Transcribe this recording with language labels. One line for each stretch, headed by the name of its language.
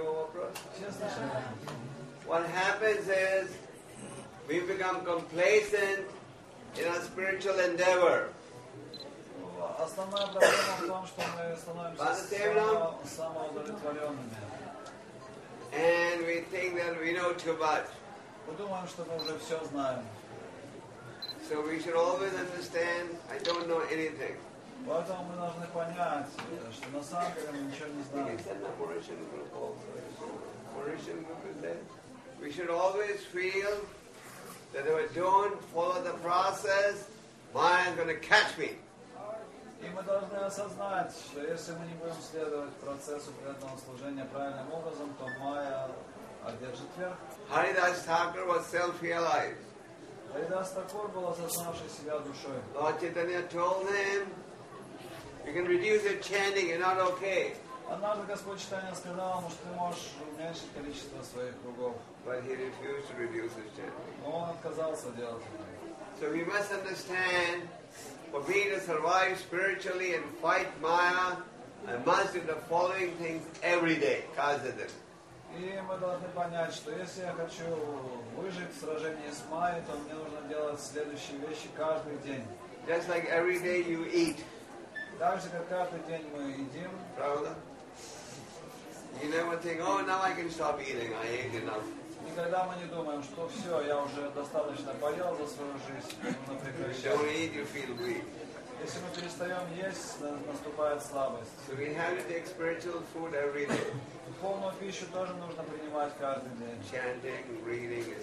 English: What happens is we become complacent in our spiritual endeavor.
Russian: Основная проблема в том, что мы становимся самоудовлетворенными.
English: And we think that we know too much.
Russian: Мы думаем, что мы уже все знаем.
English: So we should always understand, I don't know anything.
Russian: Поэтому мы должны понять, что на самом деле мы ничего не знаем.
English: It's an Mauritian group also. Mauritian group is there. We should always feel that if we don't follow the process, Maya is going to catch me.
Russian: И мы должны осознать, что если мы не будем следовать процессу преданного служения правильным образом, то Майя одержит верх.
English: Haridas Thakur was self-realized.
Russian: Haridas Thakur был осознавшей себя душой.
English: Lord Chaitanya told him, You can reduce your chanting, you're not okay.
Russian: Однажды Господь Читания сказал ему, что ты можешь уменьшить количество своих кругов.
English: But he refused to reduce his chanting.
Russian: Но он отказался делать это.
English: So we must understand, for me to survive spiritually and fight Maya, I must do the following things every day, cause them.
Russian: И мы должны понять, что если я хочу выжить в сражении с Майей, то мне нужно делать следующие вещи каждый день.
English: Just like every day you eat.
Russian: Так же, как каждый день мы едим. Правда?
English: You never think, oh, now I can stop eating, I ate enough.
Russian: Никогда мы не думаем, что все, я уже достаточно поел за свою жизнь.
English: If you eat, you feel weak.
Russian: Если мы перестаем есть, наступает слабость.
English: So we have to take spiritual food every day.
Russian: Духовную пищу тоже нужно принимать каждый день.
English: Chanting, reading, and